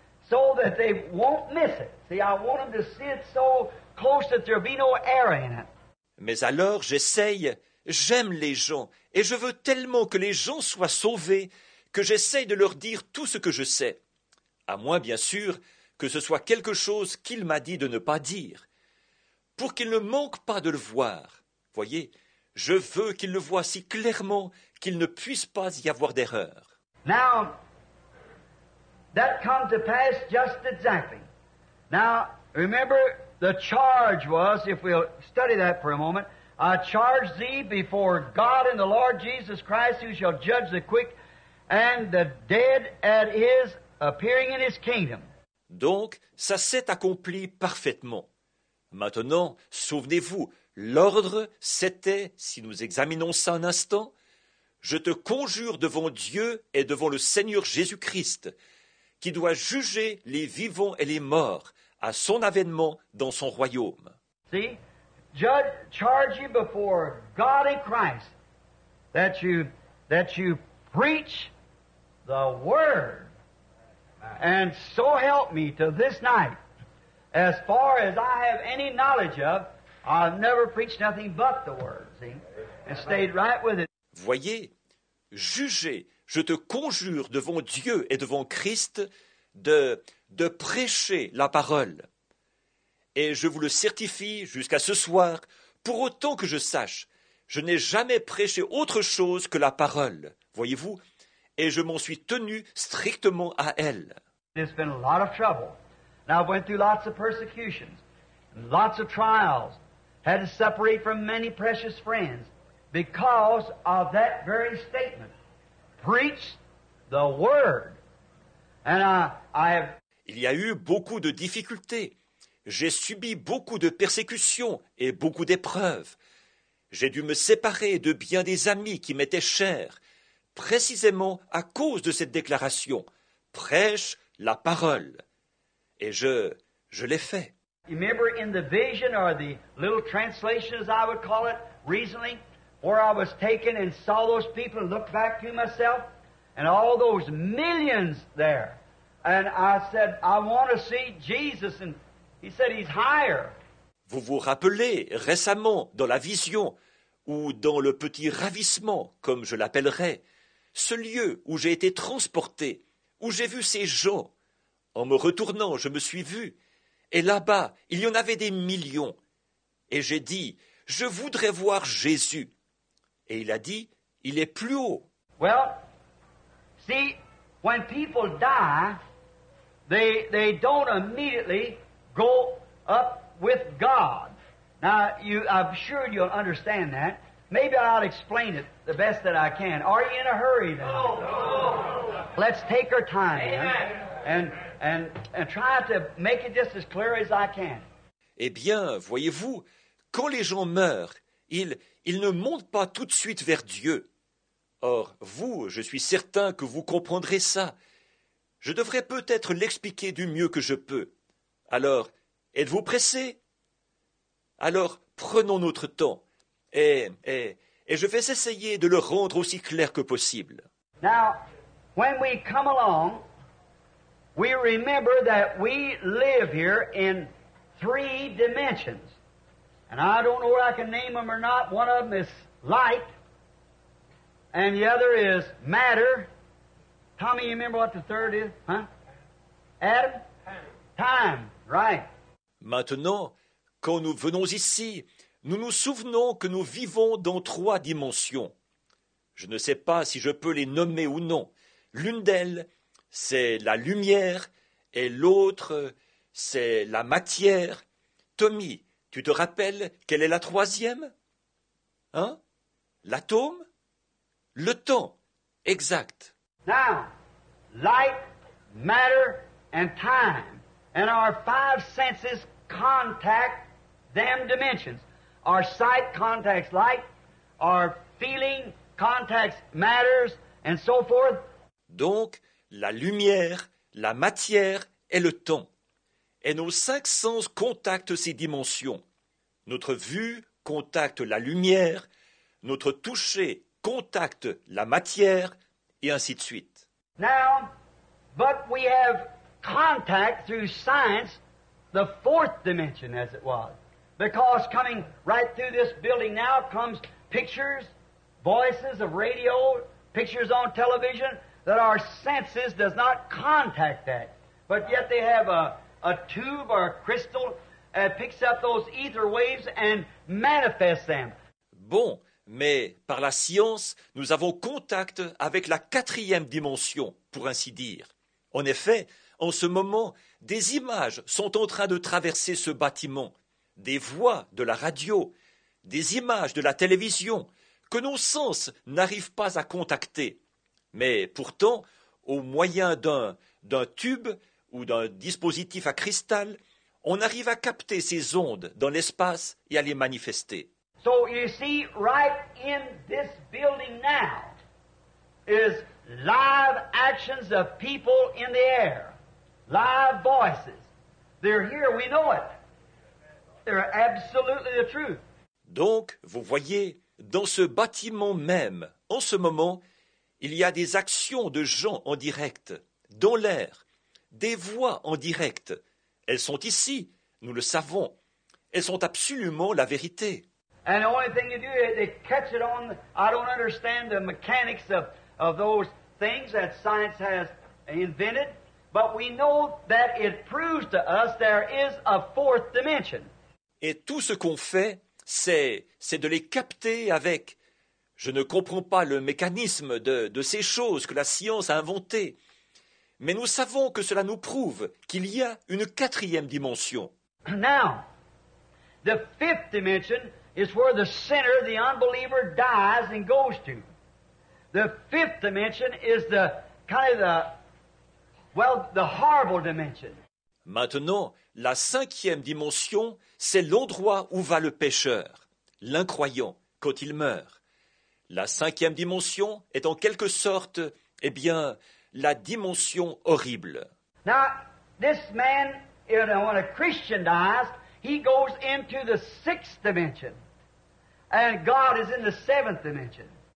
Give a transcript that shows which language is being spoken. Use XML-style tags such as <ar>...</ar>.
<en>so that they won't miss it. See, I want them to see it so close that there'll be no error in it.</en> <fr>Mais alors, j'essaye, j'aime les gens, et je veux tellement que les gens soient sauvés, que j'essaye de leur dire tout ce que je sais. À moins, bien sûr, que ce soit quelque chose qu'il m'a dit de ne pas dire. Pour qu'il ne manque pas de le voir. Voyez, je veux qu'il le voie si clairement qu'il ne puisse pas y avoir d'erreur.</fr> <en>Now, that comes to pass just exactly. Now, remember the charge was, if we'll study that for a moment, I charge thee before God and the Lord Jesus Christ, who shall judge the quick and the dead at his appearing in his kingdom.</en> <fr>Donc, ça s'est accompli parfaitement. Maintenant, souvenez-vous, l'ordre, c'était, si nous examinons ça un instant, « Je te conjure devant Dieu et devant le Seigneur Jésus-Christ, qui doit juger les vivants et les morts à son avènement dans son royaume. »</fr> <en>See, judge, charge you before God and Christ that you preach the word and so help me to this night. As far as I have any knowledge of, I've never preached nothing but the word, see, and stayed right with it.</en> <fr>Voyez, jugez, je te conjure devant Dieu et devant Christ de prêcher la parole. Et je vous le certifie jusqu'à ce soir, pour autant que je sache, je n'ai jamais prêché autre chose que la parole, voyez-vous, et je m'en suis tenu strictement à elle.</fr> <en>There's been a lot of trouble. Now I've went through lots of persecutions, lots of trials, had to separate from many precious friends because of that very statement. Preach the word. And I have...</en> <fr>Il y a eu beaucoup de difficultés. J'ai subi beaucoup de persécutions et beaucoup d'épreuves. J'ai dû me séparer de bien des amis qui m'étaient chers, précisément à cause de cette déclaration. Prêche la parole. Et je l'ai fait.</fr> <en>Remember in the vision or the little translation, as I would call it, recently, where I was taken and saw those people and looked back to myself and all those millions there. And I said, I want to see Jesus. And he said, he's higher.</en> <fr>Vous vous rappelez récemment dans la vision ou dans le petit ravissement, comme je l'appellerais, ce lieu où j'ai été transporté, où j'ai vu ces gens. En me retournant, je me suis vu, et là-bas, il y en avait des millions. Et j'ai dit, je voudrais voir Jésus. Et il a dit, il est plus haut.</fr> <en>Well, see, when people die, they don't immediately go up with God. Now, I'm sure you'll understand that. Maybe I'll explain it the best that I can. Are you in a hurry then? No. Let's take our time. Amen. And try to make it just as clear as I can.</en> <fr>Eh bien, voyez-vous, quand les gens meurent, ils ne montent pas tout de suite vers Dieu. Or, vous, je suis certain que vous comprendrez ça. Je devrais peut-être l'expliquer du mieux que je peux. Alors, êtes-vous pressé? Alors, prenons notre temps. Et je vais essayer de le rendre aussi clair que possible.</fr> <en>Now, when we come along, we remember that we live here in three dimensions. And I don't know whether I can name them or not. One of them is light, and the other is matter. Tommy, you remember what the third is, huh? Adam? Time. Time, right.</en> <fr>Maintenant, quand nous venons ici, nous nous souvenons que nous vivons dans trois dimensions. Je ne sais pas si je peux les nommer ou non. L'une d'elles, c'est la lumière, et l'autre, c'est la matière. Tommy, tu te rappelles quelle est la troisième? Hein? L'atome? Le temps. Exact.</fr> <en>Now, light, matter, and time, and our five senses contact them dimensions. Our sight contacts light, our feeling contacts matters, and so forth.</en> <fr>Donc, la lumière, la matière et le temps. Et nos cinq sens contactent ces dimensions. Notre vue contacte la lumière, notre toucher contacte la matière, et ainsi de suite.</fr> <en>Now, but we have contact through science, the fourth dimension, as it was. Because coming right through this building now comes pictures, voices of radio, pictures on television that our senses does not contact that. But yet they have a tube or a crystal that picks up those ether waves and manifests them.</en> <fr>Bon, mais par la science, nous avons contact avec la quatrième dimension, pour ainsi dire. En effet, en ce moment, des images sont en train de traverser ce bâtiment. Des voix de la radio, des images de la télévision que nos sens n'arrivent pas à contacter. Mais pourtant, au moyen d'un tube ou d'un dispositif à cristal, on arrive à capter ces ondes dans l'espace et à les manifester.</fr> <en>So you see, right in this building now is live actions of people in the air, live voices. They're here, we know it. They're absolutely the truth.</en> <fr>Donc, vous voyez, dans ce bâtiment même, en ce moment, il y a des actions de gens en direct, dans l'air, des voix en direct. Elles sont ici, nous le savons. Elles sont absolument la vérité.</fr> <en>And the only thing you do is they catch it on. I don't understand the mechanics of those things that science has invented, but we know that it proves to us there is a fourth dimension.</en> <fr>Et tout ce qu'on fait, c'est de les capter avec. Je ne comprends pas le mécanisme de ces choses que la science a inventées. Mais nous savons que cela nous prouve qu'il y a une quatrième dimension.</fr> <en>Now, the fifth dimension is where the sinner, the unbeliever, dies and goes to. The fifth dimension is the kind of the, well, the horrible dimension.</en> <fr>Maintenant, la cinquième dimension, c'est l'endroit où va le pécheur, l'incroyant, quand il meurt. La cinquième dimension est en quelque sorte, eh bien, la dimension horrible.</fr> <en>Now, this man, when a Christian dies, he goes into the sixth dimension. And God is in the seventh dimension.</en>